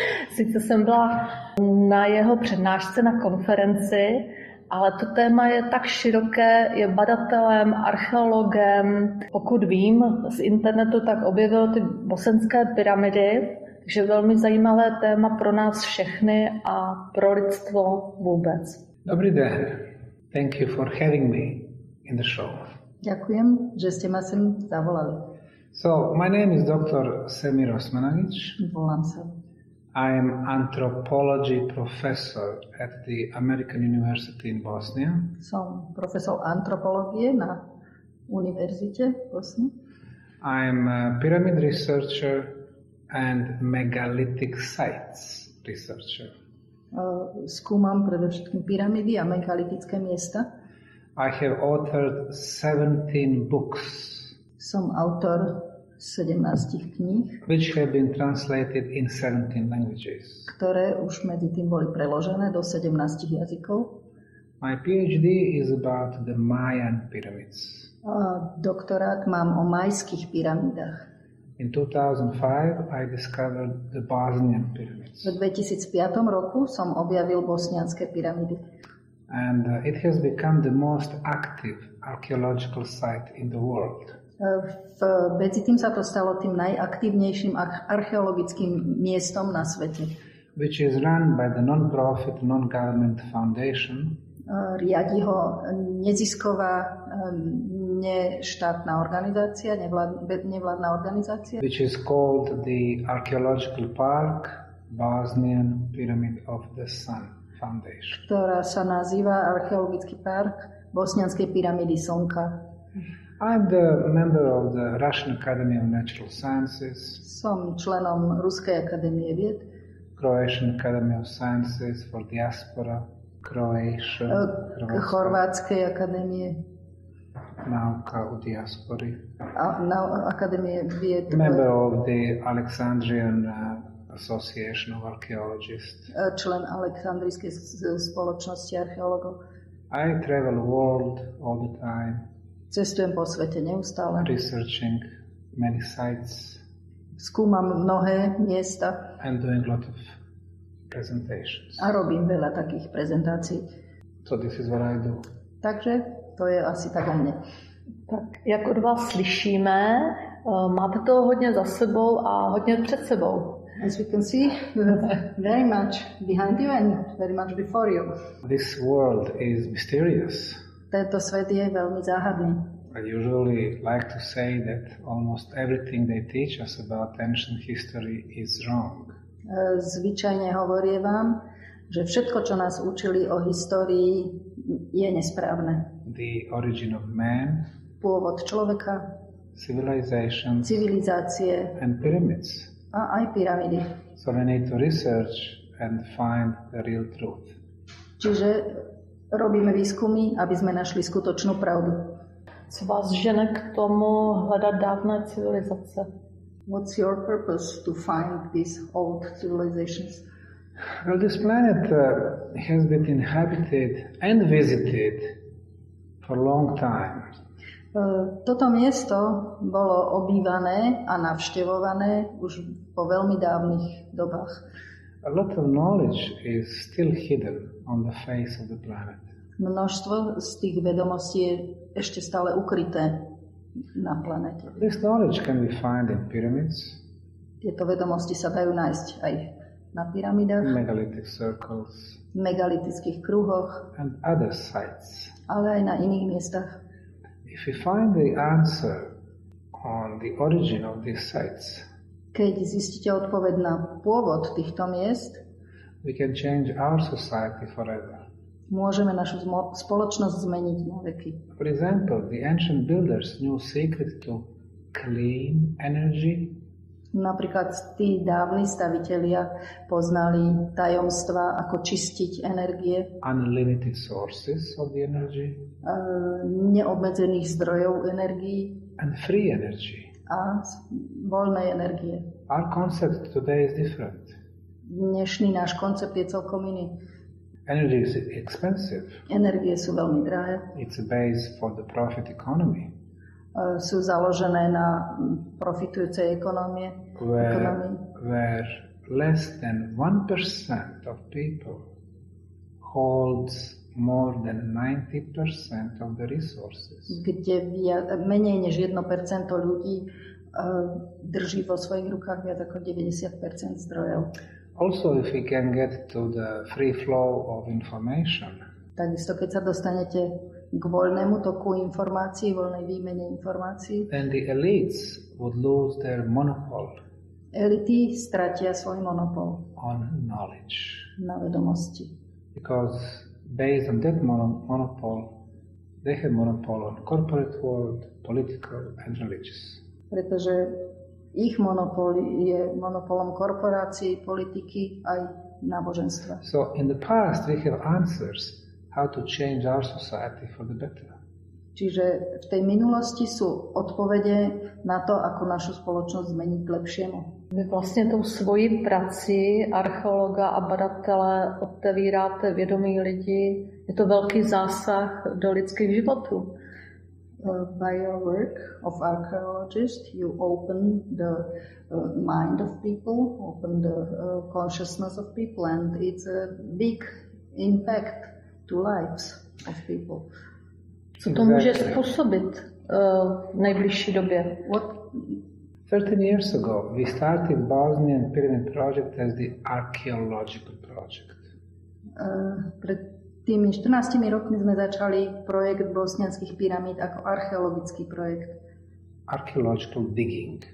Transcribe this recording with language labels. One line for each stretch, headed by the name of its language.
Czech: Sice jsem byla na jeho přednášce na konferenci, ale to téma je tak široké, je badatelem, archeologem. Pokud vím z internetu, tak objevil ty bosenské pyramidy, takže velmi zajímavé téma pro nás všechny a pro lidstvo vůbec. Dobrý den.
English: Thank you for having me in the show.
Czech: Děkujem, že jste mě sem zavolali.
English: So, my name is Dr. Semir Osmanovič.
Slovak: Volám se.
English: I am anthropology professor at the American University in Bosnia.
Slovak: Som profesor antropologie na univerzite v Bosni.
English: I am a pyramid researcher and megalithic sites researcher.
Slovak: Skúmam predovšetkým pyramidy a megalitické miesta.
English: I have authored 17 books.
Slovak: Som autor 17 kníh,
English: which have been translated in 17 languages,
Slovak: ktoré už medzi tým boli preložené do 17 jazykov.
English: My PhD is about the Mayan pyramids.
Slovak: Doktorát mám o majských pyramidách.
English: In 2005 I discovered the Bosnian pyramids.
Slovak: V 2005 roku som objavil bosnianske pyramidy.
English: And it has become the most active archaeological site in the world.
Slovak: Medzi tým sa to stalo tým najaktívnejším archeologickým miestom na svete.
English: Which is run by the non-profit, non-government foundation.
Slovak: Riadi ho nezisková, neštátna organizácia, nevládna organizácia.
English: Which is called the Archaeological Park Bosnian Pyramid of the Sun Foundation.
Slovak: Ktorá sa nazýva archeologický park Bosnianskej pyramídy Slnka.
English: I'm the member of the Russian Academy of Natural Sciences.
Slovak: Som členom Ruskej akadémie vied.
English: Croatian Academy of Sciences for Diaspora.
Slovak: Chorvátskej akadémie.
Croatian: Nauka u diaspory.
Slovak: Na akadémie vied.
English: Member of the Alexandrian Association of Archaeologists.
Slovak: Člen Alexandrijskej spoločnosti archeologov.
English: I travel the world all the time.
Slovak: Cestujem po svete neustále.
English: Researching many sites.
Slovak: Skúmam mnohé miesta.
English: And doing a lot of presentations.
Slovak: A robím veľa takých prezentácií.
English: So this is what I do.
Slovak: Takže to je asi tak o mne.
Czech: Tak jak od vás slyšíme, máte toho hodně za sebou a hodně před sebou.
English: As you can see, very much behind you and very much before you. This world is mysterious.
Slovak: Tento svet je veľmi záhadný.
English: I usually like to say that almost everything they teach us about ancient history is wrong.
Slovak: Zvyčajne hovorievam, že všetko, čo nás učili o histórii, je nesprávne.
English: The origin of man,
Slovak: pôvod človeka,
English: civilization,
Slovak: civilizácie,
English: and pyramids.
Slovak: A aj pyramidy.
English: So we need to research and find the real truth.
Slovak: Čiže robíme výskumy, aby sme našli skutočnú pravdu.
Czech: Co vás žene k tomu hľadať dávne civilizácie?
English: What's your purpose to find these old civilizations? Well, this planet has been inhabited and visited for a long time.
Slovak: Toto miesto bolo obývané a navštevované už po veľmi dávnych dobách.
English: A lot of knowledge is still hidden on the face of the planet.
Slovak: Množstvo z tých vedomostí je ešte stále ukryté na planete.
English: This knowledge can be found in pyramids.
Slovak: Tieto vedomosti sa dajú nájsť aj na pyramidách,
English: megalithic circles,
Slovak: megalitických kruhoch,
English: and other sites.
Slovak: Ale aj na iných miestach.
English: If we find the answer on the origin of these sites,
Slovak: keď zistíte odpoveď na pôvod týchto miest,
English: we can change our society forever.
Slovak: Môžeme našu spoločnosť zmeniť na veky.
English: For example, the ancient builders knew secret to clean energy.
Slovak: Napríklad tí dávni stavitelia poznali tajomstva, ako čistiť energie.
English: Unlimited sources of the energy.
Slovak: Neobmedzených zdrojov energie.
English: And free energy.
Slovak: A voľnej energie.
English: Our concept today is different.
Slovak: Dnešný náš koncept je celkom iný.
English: Energy is expensive.
Slovak: Energie sú veľmi drahé.
English: It's a base for the profit economy.
Slovak: Sú založené na profitujúcej ekonomie.
English: Where less than 1% of people holds more than 90% of the resources.
Slovak: Kde menej než 1% ľudí drží vo svojich rukách viac ako 90% zdrojov.
English: Also, if we can get to the free flow of information.
Slovak: Takisto, keď sa dostanete k voľnému toku informácií, voľnej výmene informácií,
English: then the elites would lose their monopol.
Slovak: Elity stratia svoj monopol
English: on knowledge.
Slovak: Na vedomosti.
English: Because based on that monopol, they have monopol on corporate world, political and religious.
Slovak: Pretože ich monopol je monopolom korporácií, politiky aj náboženstva.
English: So in the past we have answers how to change our society for the better.
Slovak: Čiže v tej minulosti sú odpovede na to, ako našu spoločnosť zmeniť k lepšiemu.
Czech: Vy vlastne tou svojí prací archeologa a badatele otevíráte vedomí lidi. Je to veľký zásah do lidských životů.
English: By your work of archaeologist, you open the mind of people, open the consciousness of people, and it's a big impact to lives of people.
Czech: Co to může způsobit v nejbližší době?
English: What? 13 years ago, we started Bosnian Pyramid Project as the archaeological project.
Slovak: Pred tými 14 rokmi sme začali projekt bosnianskych pyramíd ako archeologický projekt.
English: Archaeological digging.